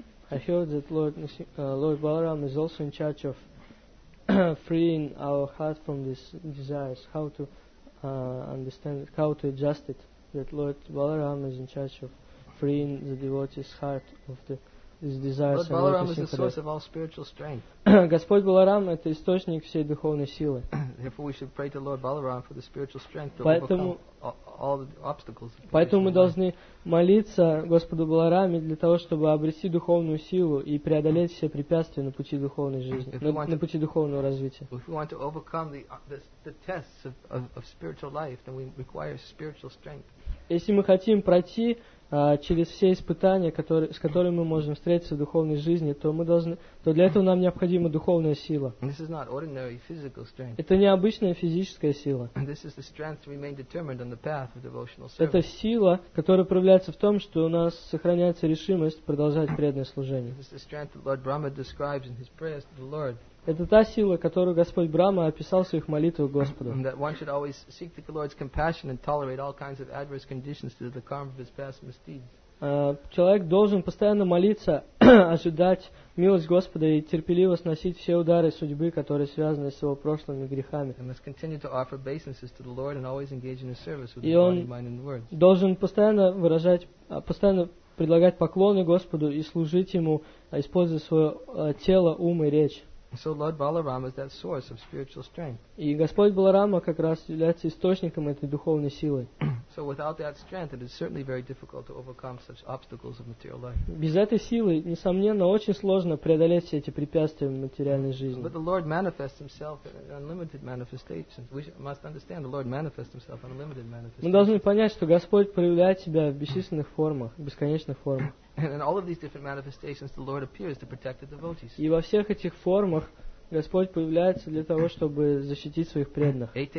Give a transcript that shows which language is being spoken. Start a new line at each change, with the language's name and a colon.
English: I heard that Lord Balaram is also in charge of freeing our heart from these desires. How to understand it, how to adjust it, that Lord Balaram is in charge of freeing the devotee's heart of these desires. Lord Balaram is the source of all spiritual strength.
Russian: Господь Баларам – это источник всей духовной силы.
English: Therefore, we should pray to Lord Balaram for the spiritual strength to overcome all the obstacles.
Russian: Поэтому мы должны молиться Господу Балараме для того, чтобы обрести духовную силу и преодолеть все препятствия на пути духовной жизни, на пути духовного развития.
English: If we want to overcome the tests of spiritual life, then we require spiritual strength.
Russian: Если мы хотим пройти через все испытания, с которыми мы можем встретиться в духовной жизни, то для этого нам необходима духовная сила.
English: This is not ordinary physical strength.
Russian: Это не обычная физическая сила.
English: This is the strength to remain determined on the path of devotional service.
Russian: Это сила, которая проявляется в том, что у нас сохраняется решимость продолжать преданное служение.
English: This is the strength that Lord Brahma describes in his prayers to the Lord.
Russian: Это та сила, которую Господь Брахма описал в своих молитвах Господу.
English: That one should always seek the Lord's compassion and tolerate all kinds of adverse conditions due to the karma of his past misdeeds.
Russian: Человек должен постоянно молиться, ожидать милость Господа и терпеливо сносить все удары судьбы, которые связаны с его прошлыми грехами.
English: He must continue to offer obeisances to the Lord and always engage in his service with his body, mind, and words.
Russian: И он должен постоянно предлагать поклоны Господу и служить ему, используя свое тело, ум и речь.
English: So Lord Balarama is that source of spiritual strength.
Russian: И Господь Баларама как раз является источником этой духовной силы.
English: So without that strength, it is certainly very difficult to overcome such obstacles of material life.
Russian: Без этой силы, несомненно, очень сложно преодолеть все эти препятствия в материальной жизни.
English: But the Lord manifests Himself in unlimited manifestations. We must understand the Lord manifests Himself in unlimited manifestations.
Russian: Мы должны понять, что Господь проявляет себя в бесчисленных формах, бесконечных формах.
English: And in all of these different manifestations, the Lord appears to protect the devotees.
Russian: И во всех этих формах Господь появляется для того, чтобы защитить своих преданных.